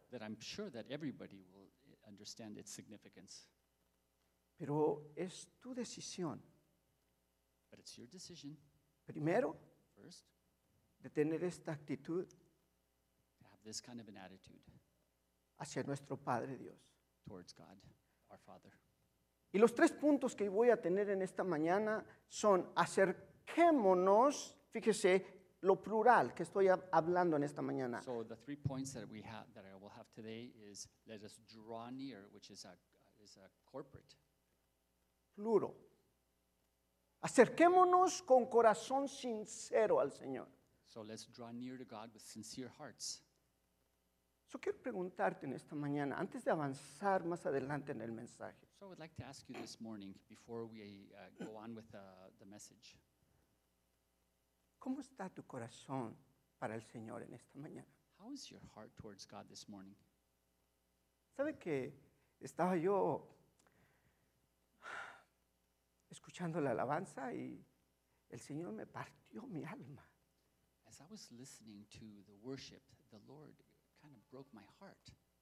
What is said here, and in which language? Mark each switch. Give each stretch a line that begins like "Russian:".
English: That I'm sure that everybody will understand its significance.
Spanish: Pero es tu decisión.
English: But it's your decision.
Spanish: Primero,
English: first,
Spanish: de tener esta actitud.
English: To have this kind of an attitude.
Spanish: Hacia nuestro Padre Dios.
English: Towards God, our Father.
Spanish: Y los tres puntos que voy a tener en esta mañana son acerquémonos, fíjese, lo plural que estoy hablando en esta mañana.
English: So the three points that we have, that I will have today is let us draw near, which is a corporate.
Spanish: Pluro. Acerquémonos con corazón sincero al Señor.
English: So let's draw near to God with sincere hearts.
Spanish: So quiero preguntarte en esta mañana, antes de avanzar más adelante en el mensaje.
English: So I'd like to ask you this morning, before we go on with the message.
Spanish: ¿Cómo está tu corazón para el Señor en esta mañana?
English: How is your heart towards God this morning?
Spanish: ¿Sabe que estaba yo escuchando la alabanza y el Señor me partió mi alma?
English: As I was listening to the worship, the Lord kind of broke my heart.